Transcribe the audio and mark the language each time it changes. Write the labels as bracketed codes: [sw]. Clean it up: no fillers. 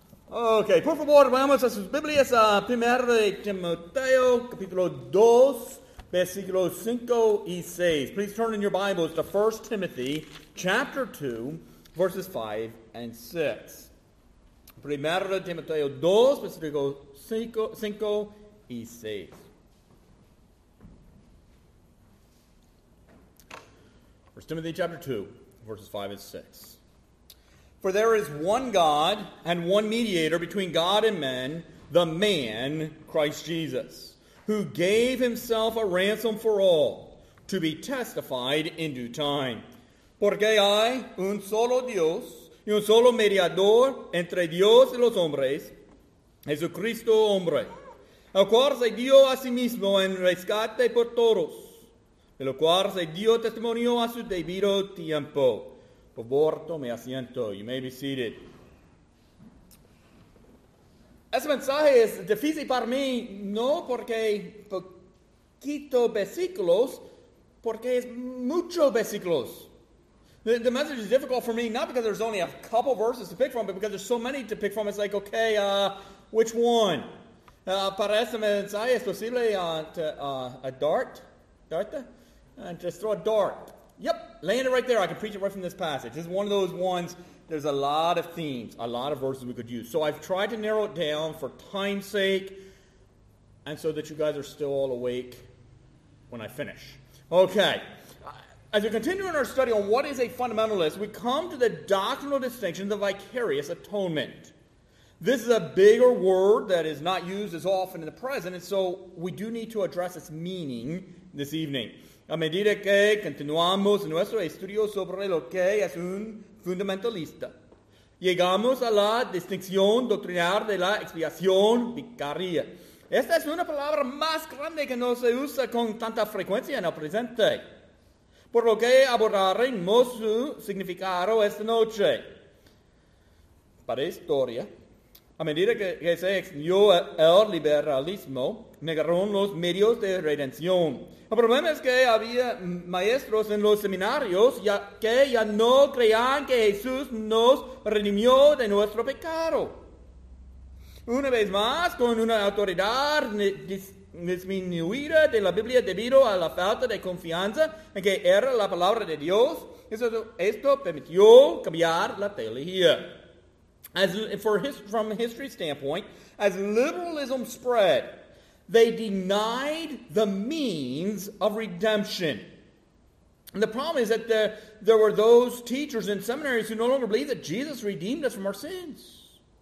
[es] Okay, por favor, vamos a sus Biblias a 1 Timoteo, capítulo 2, versículos 5 y 6. [en] Please turn in your Bibles to 1 Timothy, chapter 2, verses 5 and 6. [es] 1 Timoteo 2, versículos 5 y 6. [en] First Timothy chapter 2, verses 5 and 6. For there is one God and one mediator between God and men, the man, Christ Jesus, who gave himself a ransom for all, to be testified in due time. [es] Porque hay un solo Dios y un solo mediador entre Dios y los hombres, Jesucristo hombre, el cual se dio a sí mismo en rescate por todos, el cual se dio testimonio a su debido tiempo. Por favor, tome asiento. [en] You may be seated. [es] Ese mensaje es difícil para mí, no porque poquito versículos, porque es mucho versículos. [en] The message is difficult for me, not because there's only a couple verses to pick from, but because there's so many to pick from. It's like, okay, which one? [es] Para ese mensaje es posible [en] throw a dart. Yep, laying it right there. I can preach it right from this passage. This is one of those ones, there's a lot of themes, a lot of verses we could use. So I've tried to narrow it down for time's sake, and so that you guys are still all awake when I finish. Okay, as we continue in our study on what is a fundamentalist, we come to the doctrinal distinction of the vicarious atonement. This is a bigger word that is not used as often in the present, and so we do need to address its meaning this evening. [es] A medida que continuamos nuestro estudio sobre lo que es un fundamentalista, llegamos a la distinción doctrinal de la expiación vicaria. Esta es una palabra más grande que no se usa con tanta frecuencia en el presente, por lo que abordaremos su significado esta noche. Para historia, a medida que se extendió el liberalismo, negaron los medios de redención. El problema es que había maestros en los seminarios que ya no creían que Jesús nos redimió de nuestro pecado. Una vez más, con una autoridad disminuida de la Biblia debido a la falta de confianza en que era la palabra de Dios, esto permitió cambiar la teología. [en] From a history standpoint, as liberalism spread, they denied the means of redemption. And the problem is that there were those teachers in seminaries who no longer believed that Jesus redeemed us from our sins.